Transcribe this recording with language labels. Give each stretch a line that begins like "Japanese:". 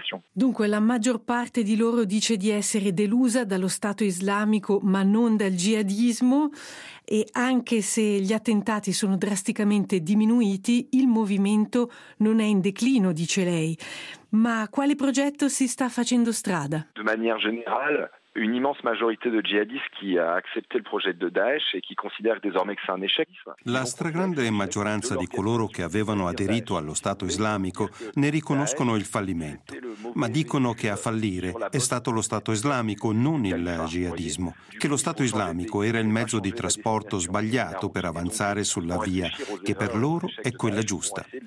Italian: Dunque, la maggior parte di loro dice di essere delusa dallo Stato islamico, ma non dal jihadismo. E anche se gli attentati sono drasticamente diminuiti, il movimento non è in declino, dice lei. Ma quale progetto si sta facendo strada?
French: De manière générale, une immense majorité de djihadistes qui a accepté le projet de Daesh et qui considère désormais que c'est un échec.
Italian: La stragrande maggioranza di coloro che avevano aderito allo Stato islamico ne riconoscono il fallimento, ma dicono che a fallire è stato lo Stato islamico, non il jihadismo, che lo Stato islamico era il mezzo di trasporto sbagliato per avanzare sulla via che per loro è quella giusta.